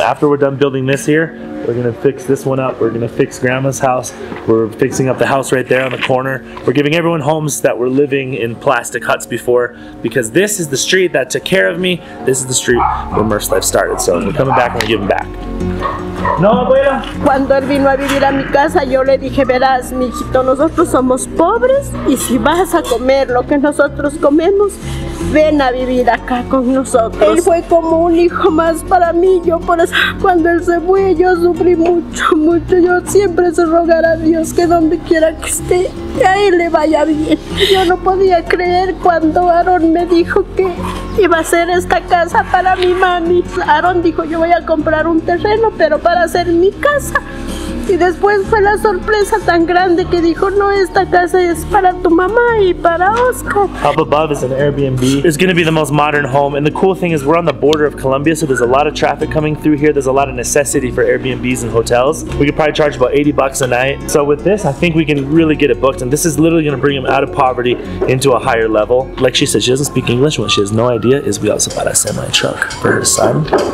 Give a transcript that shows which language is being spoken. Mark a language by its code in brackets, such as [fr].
[en] After we're done building this here, we're gonna fix this one up. We're gonna fix grandma's house. We're fixing up the house right there on the corner. We're giving everyone homes that were living in plastic huts before, because this is the street that took care of me. This is the street where MURPHSLIFE started. So we're coming back and we're giving back. [es] No, abuela. Cuando él vino a vivir a mi casa, yo le dije, verás, mijito, nosotros somos pobres y si vas a comer lo que nosotros comemos, ven a vivir acá con nosotros. Él fue como un hijo más para mí. Yo por eso, cuando él se fue, yo sufrí mucho, mucho. Yo siempre se rogar a Dios que donde quiera que esté, a él le vaya bien. Yo no podía creer cuando Aaron me dijo que iba a ser esta casa para mi mami. Aaron dijo, yo voy a comprar un terreno, pero para hacer mi casa. Y después fue la sorpresa tan grande que dijo, no, esta casa es para tu mamá y para Oscar. [en] Up above is an Airbnb. It's gonna be the most modern home. And the cool thing is we're on the border of Colombia, so there's a lot of traffic coming through here. There's a lot of necessity for Airbnbs and hotels. We could probably charge about 80 bucks a night. So with this, I think we can really get it booked. And this is literally gonna bring them out of poverty into a higher level. Like she said, she doesn't speak English. What she has no idea is we also bought a semi-truck for her son.